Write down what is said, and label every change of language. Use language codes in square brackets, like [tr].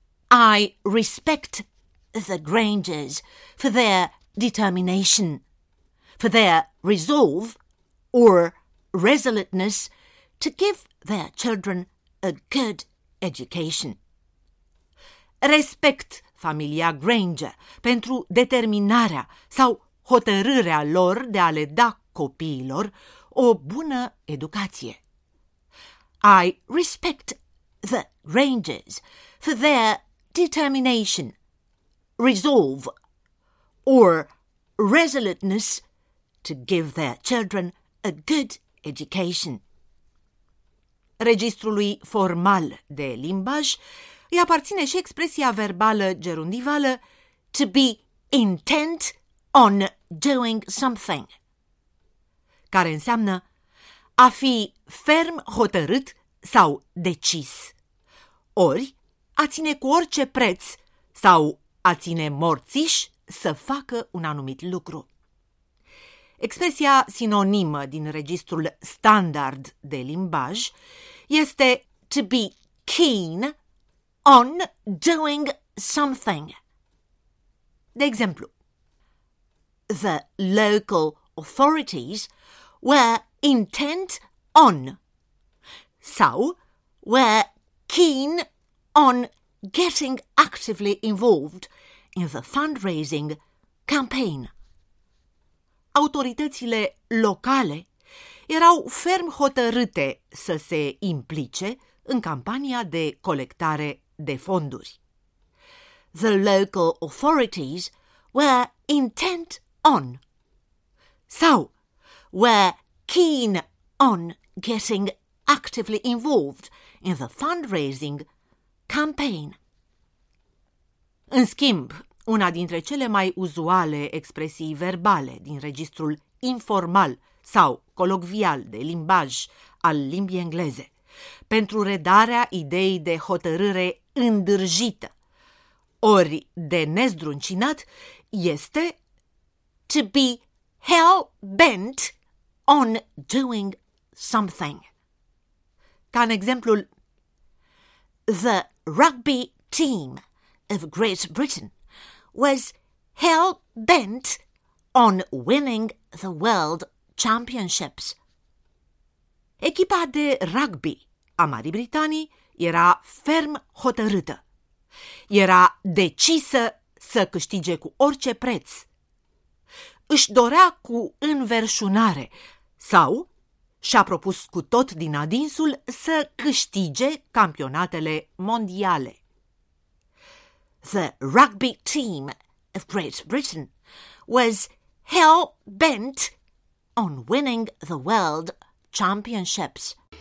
[en] I respect the Grangers for their determination, for their resolve or resoluteness to give their children a good education. [ro] Respect familia Granger pentru determinarea sau hotărârea lor de a le da copiilor o bună educație. [en] I respect the Rangers for their determination, resolve, or resoluteness to give their children a good education. [ro] Registrului formal de limbaj îi aparține și expresia verbală gerundivală [en] to be intent on doing something, [ro] care înseamnă a fi ferm hotărât sau decis, ori a ține cu orice preț sau a ține morțiș să facă un anumit lucru. Expresia sinonimă din registrul standard de limbaj este [en] to be keen on doing something. [ro] De exemplu, [en] the local authorities were intent on [ro] sau [en] were keen on getting actively involved in the fundraising campaign. [ro] Autoritățile locale erau ferm hotărâte să se implice în campania de colectare de fonduri. [en] The local authorities were intent on [ro] sau [en] were keen on getting actively involved in the fundraising campaign. [ro] În schimb, una dintre cele mai uzuale expresii verbale din registrul informal sau colocvial de limbaj al limbii engleze pentru redarea ideii de hotărâre îndârjită ori de nezdruncinat este [en] to be hell-bent on doing something. [ro] Ca în exemplul, [en] the rugby team of Great Britain was hell-bent on winning the world championships. [ro] Echipa de rugby a Marii Britanii era ferm hotărâtă. Era decisă să câștige cu orice preț. Își dorea cu înverșunare sau și-a propus cu tot din adinsul să câștige campionatele mondiale. [en] The rugby team of Great Britain was hell-bent on winning the world championships.